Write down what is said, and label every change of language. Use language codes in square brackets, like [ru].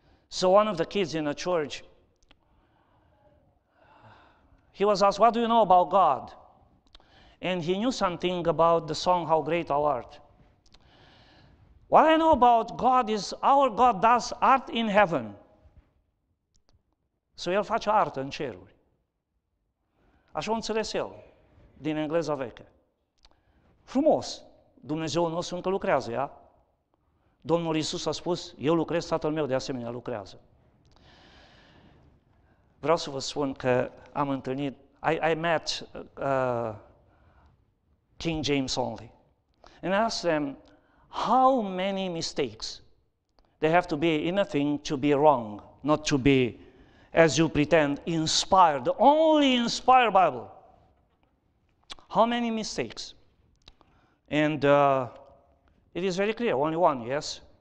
[en] So one of the kids in the church, he was asked, what do you know about God? And he knew something about the song, How Great Thou Art. What I know about God is our God does art in heaven. [ro] So el face artă în ceruri. Așa o înțeles eu, din engleza veche. Frumos, Dumnezeul nostru încă lucrează, ia? Domnul Iisus a spus, eu lucrez, Tatăl meu de asemenea lucrează. Vreau să vă spun că am întâlnit, [en] I met King James only. And I asked them, how many mistakes they have to be in a thing to be wrong, not to be, as you pretend, inspired, the only inspired Bible. How many mistakes? And it is very clear, only one, yes?